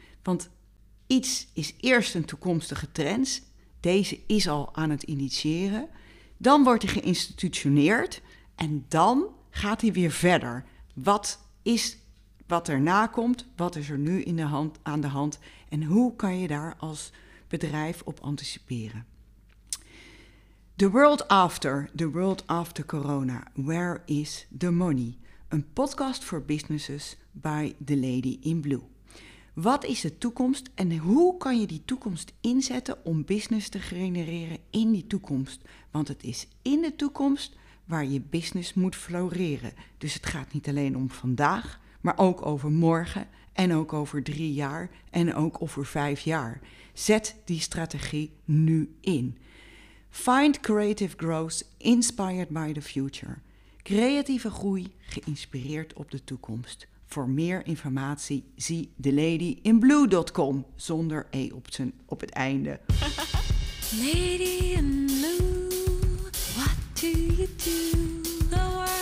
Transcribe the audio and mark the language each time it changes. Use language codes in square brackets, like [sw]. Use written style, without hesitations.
[nl] Want iets is eerst een toekomstige trend, deze is al aan het initiëren, dan wordt hij geïnstitutioneerd en dan gaat hij weer verder. Wat is wat erna komt, wat is er nu in de hand, aan de hand en hoe kan je daar als bedrijf op anticiperen? [en] The world after corona, where is the money? [nl] Een podcast voor businesses by the lady in blue. Wat is de toekomst en hoe kan je die toekomst inzetten om business te genereren in die toekomst? Want het is in de toekomst waar je business moet floreren. Dus het gaat niet alleen om vandaag, maar ook over morgen en ook over 3 jaar en ook over 5 jaar. Zet die strategie nu in. [en] Find creative growth inspired by the future. [nl] Creatieve groei geïnspireerd op de toekomst. Voor meer informatie zie theladyinblue.com zonder E op het einde. [en] Lady in blue, what do you do?